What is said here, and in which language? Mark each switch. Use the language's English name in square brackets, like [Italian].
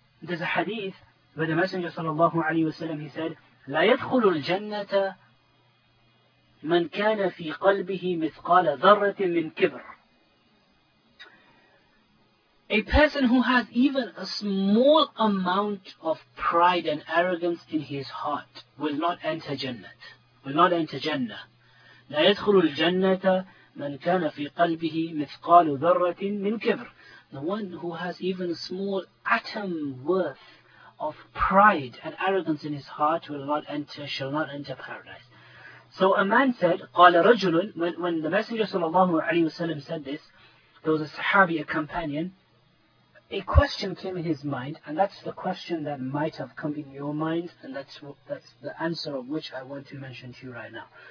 [English] There's a hadith where the Messenger sallallahu alayhi wa sallam, he said, [Arabic] لا يدخل الجنة من كان في قلبه مثقال ذرة من كبر. [English] A person who has even a small amount of pride and arrogance in his heart will not enter Jannah. Will not enter Jannah. [Arabic] لا يدخل الجنة من كان في قلبه مثقال ذرة من كبر. [English] The one who has even a small atom worth of pride and arrogance in his heart will not enter, shall not enter paradise. So a man said, [Arabic] قال رجل, [English] when the Messenger sallallahu alayhi wasallam said this, there was a Sahabi, a companion, a question came in his mind, and that's the question that might have come in your mind, and that's the answer of which I want to mention to you right now.